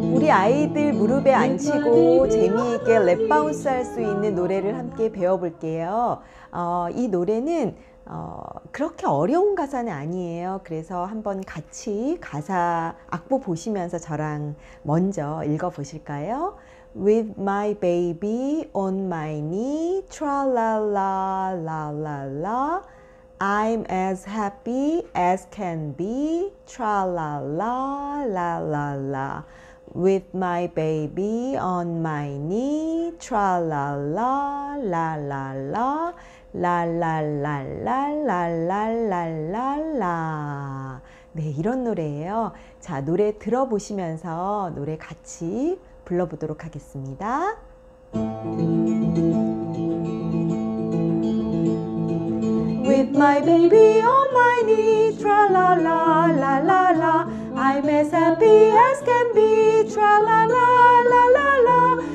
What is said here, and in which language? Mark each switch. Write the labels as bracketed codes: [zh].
[ko] 아이들 무릎에 앉히고 재미있게 랩 바운스 할 수 있는 노래를 함께 배워볼게요. 이 노래는 그렇게 어려운 가사는 아니에요. 그래서 한번 같이 가사 악보 보시면서 저랑 먼저 읽어보실까요? [en] With my baby on my knee, tra-la-la, la-la-la, I'm as happy as can be, tra-la-la, la-la-la. With my baby on my knee, tra-la-la, la-la-la, la-la-la-la, la-la-la-la. [ko] 네, 이런 노래예요. 자, 노래 들어보시면서 노래 같이 불러보도록 하겠습니다. [en] With my baby on my knee, tra-la-la, la-la-la, I'm as happy as can be, tra-la-la, la-la-la.